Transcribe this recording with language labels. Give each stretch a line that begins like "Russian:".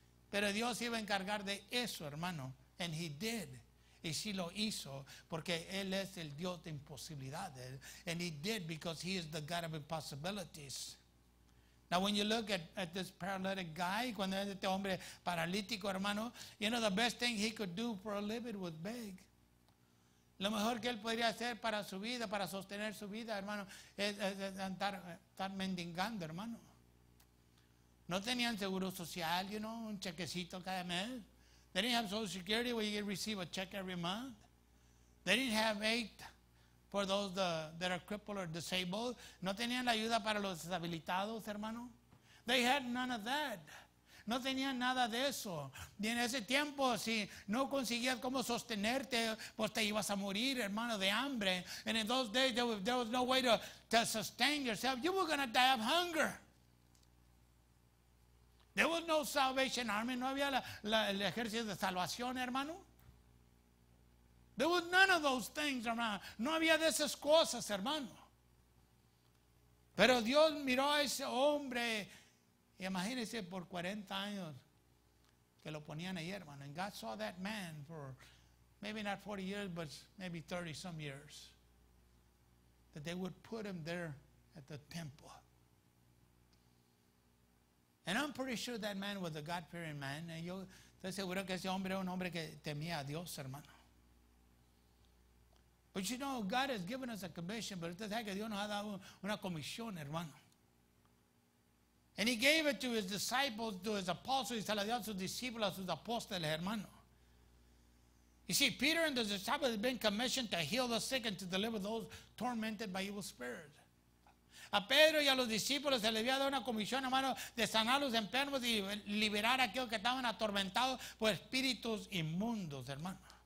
Spanish: Pero Dios iba a encargar de eso, hermano.
English: And he did.
Spanish: Y sí lo hizo, porque Él es el Dios de imposibilidades.
English: And he did because he is the God of impossibilities. Now when you look at this paralytic guy,
Spanish: cuando es este hombre paralítico, hermano,
English: you know, the best thing he could do for a living was beg.
Spanish: Lo mejor que él podría hacer para su vida, para sostener su vida, hermano, es estar mendigando, hermano. No tenían seguro social, you know, un chequecito cada mes.
English: They didn't have Social Security where you receive a check every month. They didn't have aid for those that are crippled or disabled.
Spanish: No tenían la ayuda para los deshabilitados, hermano.
English: They had none of that.
Spanish: No tenían nada de eso. Y en ese tiempo, si no conseguías cómo sostenerte, pues te ibas a morir, hermano, de hambre.
English: And in those days, there was no way to sustain yourself. You were going to die of hunger. There was no Salvation Army.
Spanish: No había el ejército de salvación, hermano.
English: There was none of those things, hermano.
Spanish: No había de esas cosas, hermano. Pero Dios miró a ese hombre. Imagínese por 40 años que lo ponían ahí, hermano.
English: And God saw that man for maybe not 40 years, but maybe 30 some years. That they would put him there at the temple. And I'm pretty sure that man was a God-fearing man.
Spanish: And yo estoy seguro que ese hombre era un hombre que temía a Dios, hermano.
English: But you know, God has given us a commission,
Spanish: but usted sabe que Dios nos ha dado una comisión, hermano.
English: And he gave it to his disciples, to his apostles,
Spanish: y se la dio a sus discípulos, a sus apóstoles, hermano.
English: You see, Peter and the disciples have been commissioned to heal the sick and to deliver those tormented by evil spirits.
Spanish: A Pedro y a los discípulos se le había dado una comisión, hermano, de sanar a los enfermos y liberar a aquellos que estaban atormentados por espíritus inmundos, hermano.